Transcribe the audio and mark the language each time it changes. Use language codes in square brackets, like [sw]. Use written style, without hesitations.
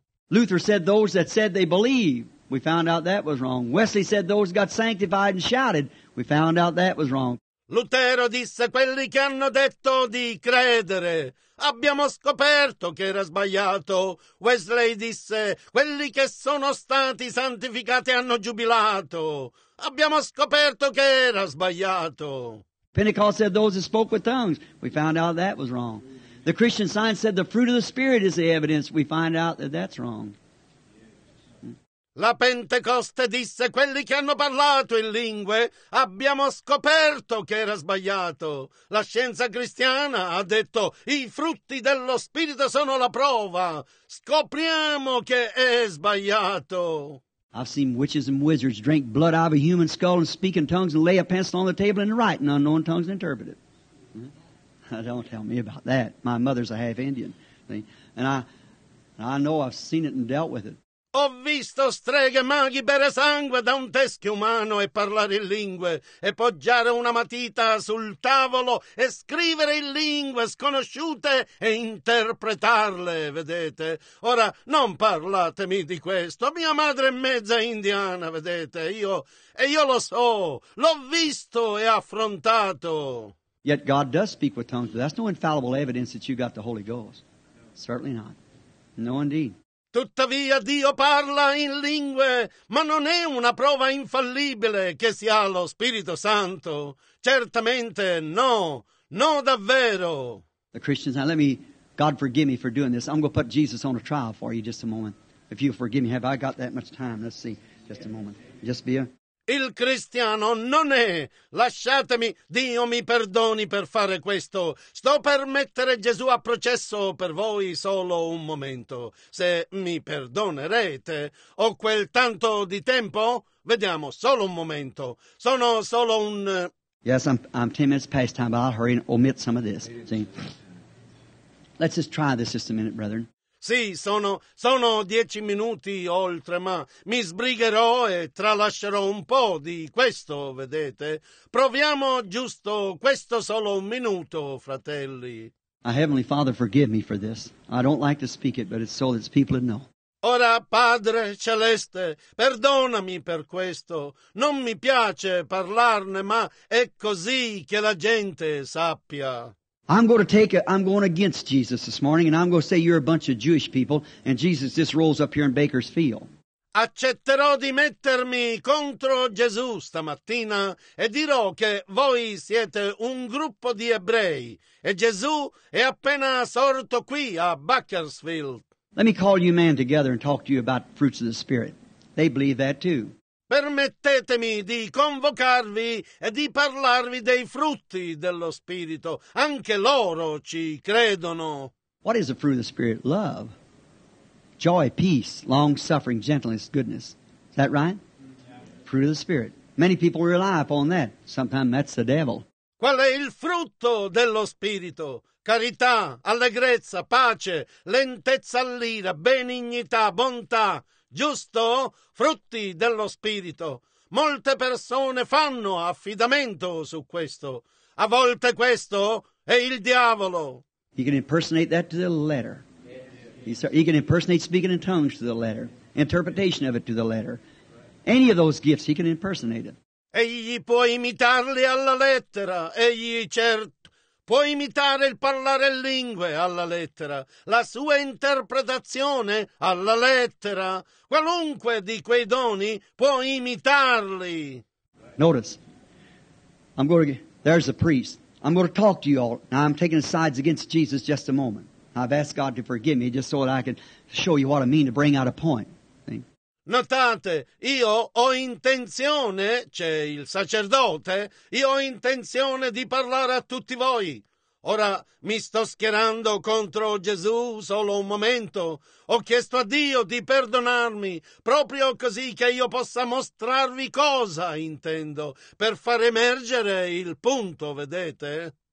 [en] Luther said those that said they believe. We found out that was wrong. Wesley said those got sanctified and shouted. We found out that was wrong. [it] Lutero disse quelli che hanno detto di credere. Abbiamo scoperto che era sbagliato. Wesley disse, quelli che sono stati santificati hanno giubilato. Abbiamo scoperto che era sbagliato. [en] Pentecost said those who spoke with tongues. We found out that was wrong. The Christian Science said the fruit of the Spirit is the evidence. We find out that that's wrong. [it] La Pentecoste disse, quelli che hanno parlato in lingue, abbiamo scoperto che era sbagliato. La scienza cristiana ha detto, i frutti dello Spirito sono la prova. Scopriamo che è sbagliato. [en] I've seen witches and wizards drink blood out of a human skull and speak in tongues and lay a pencil on the table and write in unknown tongues and interpret it. Don't tell me about that. My mother's a half Indian. And I know I've seen it and dealt with it. [it] Ho visto streghe maghi bere sangue da un teschio umano e parlare in lingue e poggiare una matita sul tavolo e scrivere in lingue sconosciute e interpretarle, vedete? Ora, non parlatemi di questo. Mia madre è mezza indiana, vedete? Io lo so, l'ho visto e affrontato. [en] Yet God does speak with tongues, but that's no infallible evidence that you got the Holy Ghost. Certainly not. No, indeed. [it] Tuttavia Dio parla in lingue, ma non è una prova infallibile che si ha lo Spirito Santo. Certamente no, no davvero. [en] The Christians, now let me, God forgive me for doing this. I'm going to put Jesus on a trial for you just a moment. If you forgive me, have I got that much time? Let's see, just a moment. Just be a... [it] Il cristiano non è, lasciatemi, Dio mi perdoni per fare questo. Sto per mettere Gesù a processo per voi solo un momento. Se mi perdonerete, ho quel tanto di tempo? Vediamo, solo un momento. Sono solo un... [en] Yes, I'm 10 minutes past time, but I'll hurry and omit some of this. See? Let's just try this just a minute, brethren. [it] Sì, sono 10 minuti oltre, ma mi sbrigherò e tralascerò un po' di questo, vedete? Proviamo giusto questo solo un minuto, fratelli. [en] My Heavenly Father, forgive me for this. I don't like to speak it, but it's so that people would know. [it] Ora, Padre Celeste, perdonami per questo. Non mi piace parlarne, ma è così che la gente sappia. [en] I'm going against Jesus this morning, and I'm going to say you're a bunch of Jewish people, and Jesus just rolls up here in Bakersfield. [it] Accetterò di mettermi contro Gesù stamattina e dirò che voi siete un gruppo di ebrei e Gesù è appena sorto qui a Bakersfield. [en] Let me call you men together and talk to you about fruits of the Spirit. They believe that too. [it] Permettetemi di convocarvi e di parlarvi dei frutti dello Spirito. Anche loro ci credono. [en] What is the fruit of the Spirit? Love, joy, peace, long-suffering, gentleness, goodness. Is that right? Fruit of the Spirit. Many people rely upon that. Sometimes that's the devil. [it] Qual è il frutto dello Spirito? Carità, allegrezza, pace, lentezza all'ira, benignità, bontà. Giusto? Frutti dello Spirito. Molte persone fanno affidamento su questo. A volte questo è il diavolo. [en] He can impersonate that to the letter. He can impersonate speaking in tongues to the letter. Interpretation of it to the letter. Any of those gifts, he can impersonate it. [it] Egli può imitarli alla lettera. Egli certo può imitare il parlare lingue alla lettera. La sua interpretazione alla lettera. Qualunque di quei doni può imitarli. [en] Notice, there's a priest. I'm going to talk to you all. Now I'm taking sides against Jesus just a moment. I've asked God to forgive me just so that I can show you what I mean to bring out a point. [it] Notate, io ho intenzione, c'è il sacerdote, io ho intenzione di parlare a tutti voi. Ora mi sto schierando contro Gesù solo un momento. Ho chiesto a Dio di perdonarmi, proprio così che io possa mostrarvi cosa intendo, per far emergere il punto, vedete?